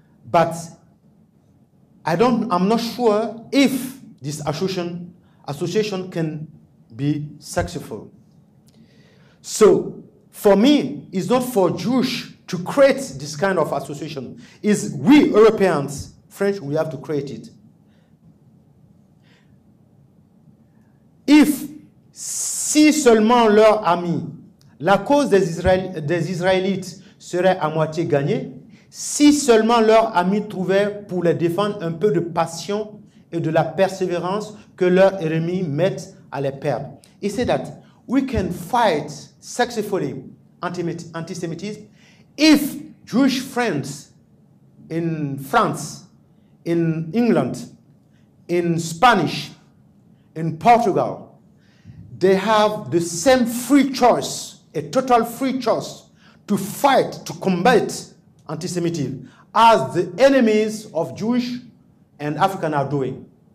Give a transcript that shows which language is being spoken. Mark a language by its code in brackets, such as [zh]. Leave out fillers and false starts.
[en] But I'm not sure if this association can be successful. So for me, it's not for Jewish to create this kind of association. It's we Europeans, French, we have to create it. [fr] If si seulement leur ami, la cause des Israélites serait à moitié gagnée, si seulement leurs amis trouvaient pour les défendre un peu de passion et de la persévérance que leurs ennemis mettent à les perdre. [en] He said that we can fight successfully anti-Semitism if Jewish friends in France, in England, in Spanish, in Portugal, they have the same free choice, a total free choice to fight, to combat anti-Semitism as the enemies of Jewish and African are doing.